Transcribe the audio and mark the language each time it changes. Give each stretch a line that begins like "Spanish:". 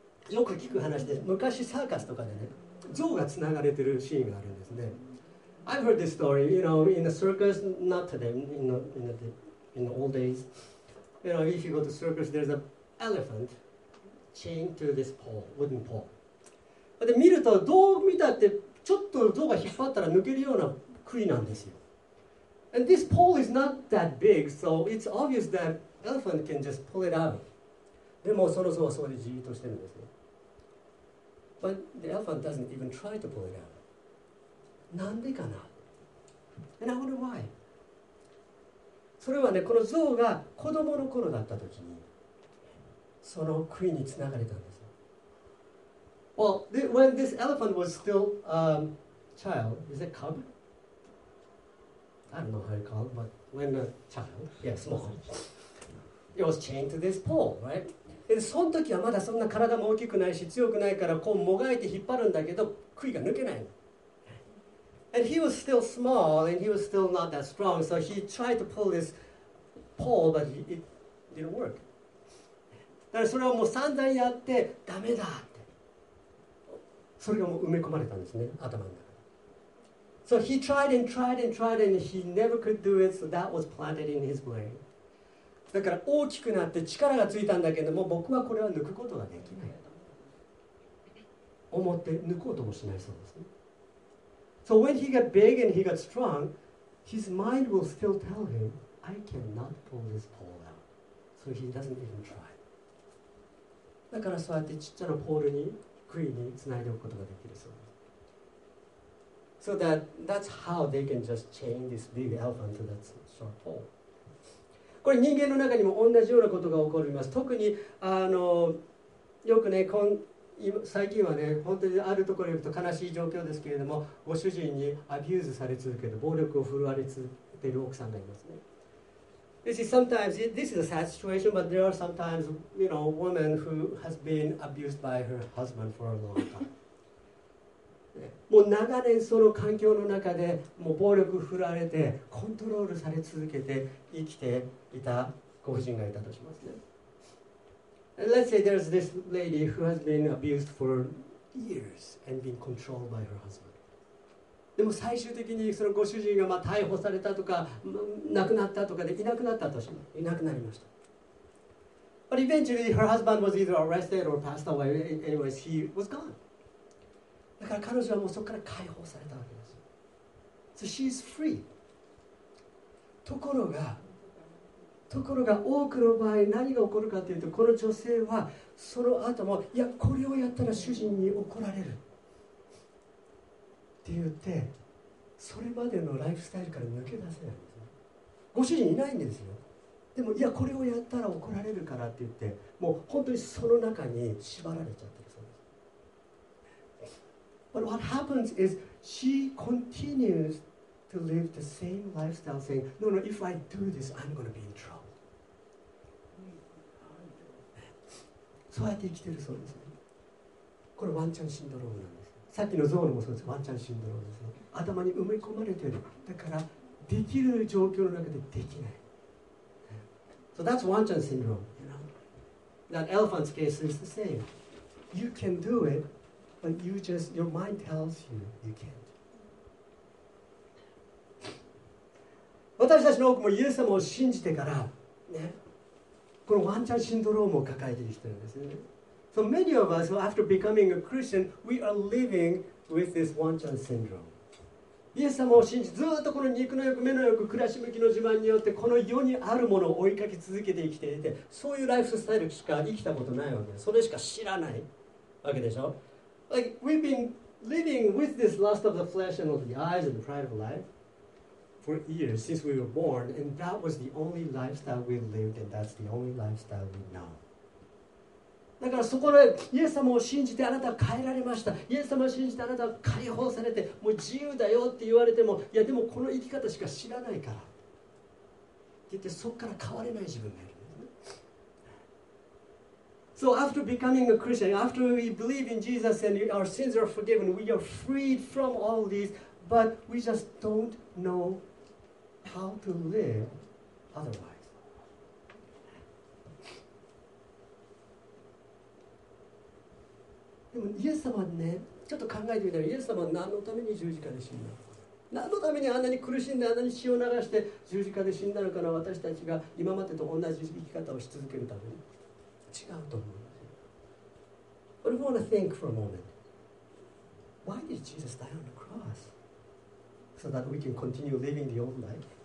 Japanese: よく聞く話で、昔サーカスとかでね、象がつながれてるシーンがあるんですね。
English: I've heard this story, you know, in the circus, not today, in the old days. You know, if you go to circus, there's an elephant chained to this pole, wooden pole.
Japanese: で、見ると、どう見たって、ちょっと象が引っ張ったら抜けるような杭なんですよ。
English: And this pole is not that big, so it's obvious that elephant can just pull it out.
Japanese: でもその象はそこでじっとしてるんですね。
English: But the elephant doesn't even try to pull it out.
Japanese: なんでかな?
English: And I wonder why.
Japanese: それはね、この象が子供の頃だった時に、その杭につながれたんです。
English: Well, when this elephant was still a child, is it cub? I don't know how you call it, but when a child, yeah, small, it was chained to this pole, right?
Japanese: And その時はまだそんな体も大きくないし強くないからこうもがいて引っ張るんだけど杭が抜けない。
English: And he was still small and he was still not that strong, so he tried to pull this pole, but it didn't work.
Japanese: だからそれをもう散々やってダメだって。それがもう埋め込まれたんですね、頭の中。
English: So he tried and tried and tried and he never could do it, so that was planted in his brain.
Japanese: だから大きくなって力がついたんだけども、僕はこれは抜くことができない。思って抜こうともしないそうですね。
English: So when he got big and he got strong, his mind will still tell him, I cannot pull this pole out. So he doesn't even try.
Japanese: だからそうやってちっちゃなポールに、杭につないでおくことができるそうです。
English: So that's how they can just chain this big elephant to that short pole.
Japanese: これ人間の中にも同じようなことが起こります。特によくね、最近はね、本当にあるところに行くと悲しい状況ですけれども、ご主人にアビューズされ続ける、暴力を振るわれ続ける奥さんがいますね。
English: This is sometimes, this is a sad situation, but there are sometimes, you know, women who has been abused by her husband for a long time.
Japanese: もう長年その環境の中でもう暴力振られてコントロールされ続けて生きていたご婦人がいたとしますね。
English: And let's say there's this lady who has been abused for years and been controlled by her husband.
Japanese: でも最終的にそのご主人がまあ逮捕されたとか亡くなったとかでいなくなったとします。いなくなりました。
English: But eventually her husband was either arrested or passed away. Anyways, he was gone.
Japanese: だから彼女はもうそこから解放されたわけです。
English: So she's free.
Japanese: ところが多くの場合何が起こるかというと、この女性はその後も、いやこれをやったら主人に怒られるって言って、それまでのライフスタイルから抜け出せないんですね。ご主人いないんですよ。でもいやこれをやったら怒られるからって言って、もう本当にその中に縛られちゃってる。
English: But what happens is she continues to live the same lifestyle saying, no, no, if I do this, I'm going to be in trouble.
Japanese: そうやって生きてるそうですね。これワンチャンシンドロームなんです。さっきのゾウのもそうです。ワンチャンシンドロームですね。頭に埋め込まれてる。だからできる状況の中でできない。
English: So that's ワンチャンシンドローム。You know? That elephant's case is the same. You can do it. But you just, your mind tells you, you can't.
Japanese: 私たちの多くもイエス様を信じてから、ね、このワンチャンシンドロームを抱えている人なんですね。
English: So many of us, after becoming a Christian, we are living with this one chance syndrome.
Japanese: イエス様を信じ、ずっとこの肉の欲、目の欲、暮らし向きの自慢によって、この世にあるものを追いかけ続けて生きていて、そういうライフスタイルしか生きたことないわけです。それしか知らないわけでしょ。
English: Like we've been living with this lust of the flesh and of the eyes and the pride of life. for years since we were born, and that was the only lifestyle we lived, and that's the only lifestyle we know.
Japanese: だからそこでイエス様を信じてあなたは変えられました。イエス様を信じてあなたは解放されてもう自由だよって言われても、いやでもこの生き方しか知らないからって言って、そこから変われない自分がいるんですね。
English: So after becoming a Christian, after we believe in Jesus and our sins are forgiven, we are freed from all these, but we just don't know how to live otherwise.
Japanese: でもイエス様ね、ちょっと考えてみたら、イエス様は何のために十字架で死んだのか、何のためにあんなに苦しんであんなに血を流して十字架で死んだのかな、私たちが今までと同じ生き方をし続けるために。違うと思うんですよ。
English: But I want to think for a moment. Why did Jesus die on the cross? So that we can continue living the old life?